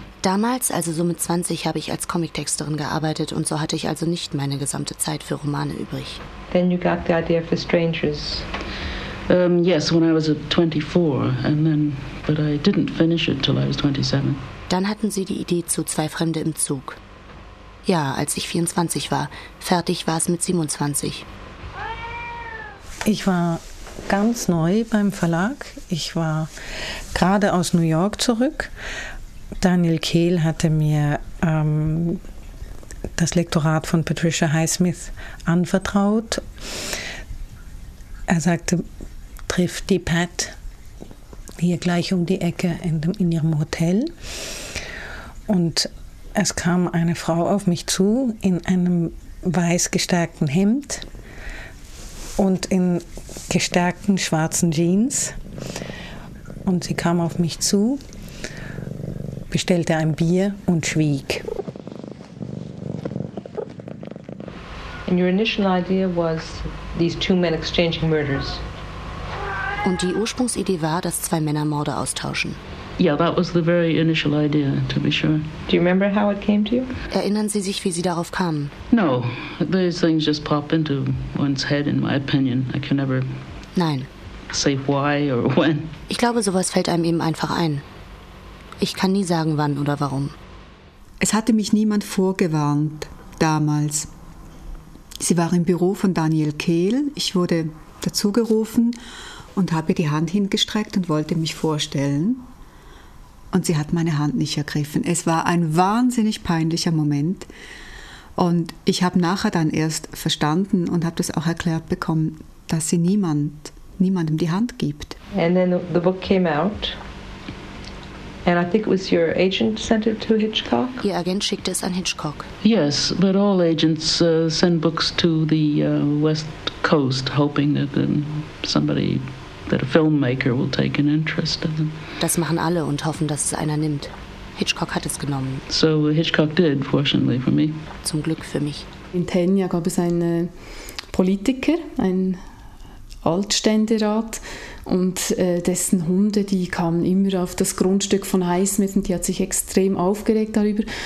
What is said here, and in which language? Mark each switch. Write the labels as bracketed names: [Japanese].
[German] Damals, also so mit 20, habe ich als Comictexterin gearbeitet, und so hatte ich also nicht meine gesamte Zeit für Romane übrig. [English] Then you got the idea for Strangers. Yes, when I was 24, but I didn't finish it till I was 27. [German] Dann hatten sie die Idee zu Zwei Fremde im Zug. Ja, als ich 24 war. Fertig war es mit 27. Ich war ganz neu beim Verlag. Ich war gerade aus New York zurück. Daniel Kehl hatte mir das Lektorat von Patricia Highsmith anvertraut. Er sagte, trifft die Pat hier gleich um die Ecke in ihrem Hotel. Und es kam eine Frau auf mich zu in einem weiß gestärkten Hemd und in gestärkten schwarzen Jeans. Und sie kam auf mich zu, bestellte ein Bier und schwieg. [English] And your initial idea was these two men exchanging murders. [German] Und die Ursprungsidee war, dass zwei Männer Morde austauschen. [English] Yeah, that was the very initial idea, to be sure. Do you remember how it came to you? [German] Erinnern Sie sich, wie Sie darauf kamen? [English] No, these things just pop into one's head, in my opinion. I can never [German] Nein. [English] Say why or when. [German] Ich glaube, sowas fällt einem eben einfach ein. Ich kann nie sagen, wann oder warum. Es hatte mich niemand vorgewarnt, damals. Sie war im Büro von Daniel Kehl. Ich wurde dazugerufen und habe die Hand hingestreckt und wollte mich vorstellen. Und sie hat meine Hand nicht ergriffen. Es war ein wahnsinnig peinlicher Moment. Und ich habe nachher dann erst verstanden und habe das auch erklärt bekommen, dass sie niemandem die Hand gibt. [English] And then the book came out. And I think it was your agent sent it to Hitchcock? [German] Ihr Agent schickte es an Hitchcock. [English] Yes, but all agents send books to the West Coast, hoping that somebody, that a filmmaker will take an interest in them. [German] Das machen alle und hoffen, dass es einer nimmt. Hitchcock hat es genommen. [English] So Hitchcock did, fortunately for me. [German] Zum Glück für mich. In Tenja gab es einen Politiker, einen Altständerat, und dessen Hunde, die kamen immer auf das Grundstück von Highsmith, und die hat sich extrem aufgeregt darüber.